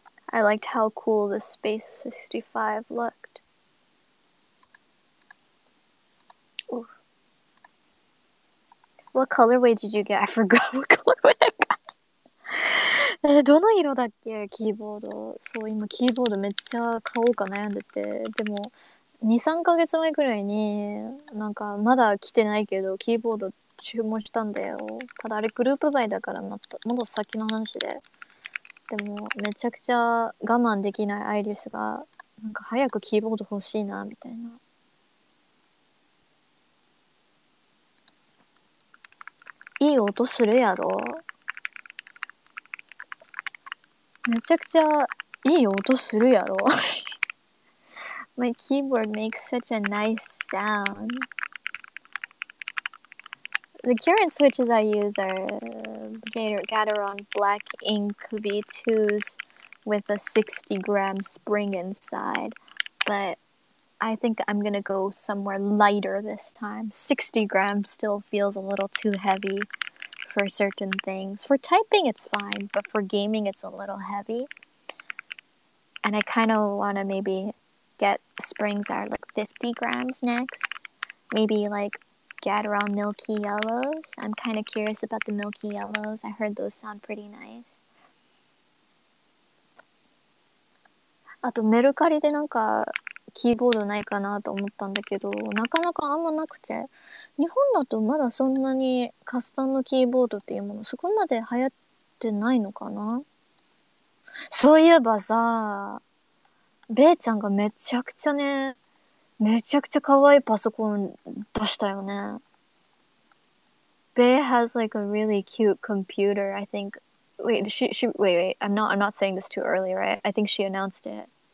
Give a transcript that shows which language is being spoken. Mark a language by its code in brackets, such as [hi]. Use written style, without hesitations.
[en] I liked how cool the Space 65 looked. Ooh. What colorway did you get? I forgot what colorway I got. [ja] どの色だっけ、キーボード。そう、今キーボードめっちゃ買おうか悩んでて。でも、2、3ヶ月前くらいに、なんかまだ来てないけど、キーボード注文したんだよ。ただあれグループバイだから、もっと先の話で。でもめちゃくちゃ我慢できないアイリスが、なんか早くキーボード欲しいなみたいな。いい音するやろ、めちゃくちゃいい音するやろ。 [en] My keyboard makes such a nice sound. The current switches I use areGateron Black Ink V2s with a 60 gram spring inside, but I think I'm gonna go somewhere lighter this time. 60 grams still feels a little too heavy for certain things. For typing it's fine, but for gaming it's a little heavy, and I kind of want to maybe get springs that are like 50 grams next, maybe likeGateron Milky Yellows. I'm kind of curious about the Milky Yellows. I heard those sound pretty nice. [ja] あとメルカリでなんかキーボードないかなと思ったんだけど、なかなかあんまなくて、日本だとまだそんなにカスタムキーボードっていうものそこまで流行ってないのかな。そういえばさ、べーちゃんがめちゃくちゃね、めちゃくちゃ可愛いパソコン出したよね。 [en] Bae has like a really cute computer, I think. Wait, I'm not saying this too early, right? I think she announced it.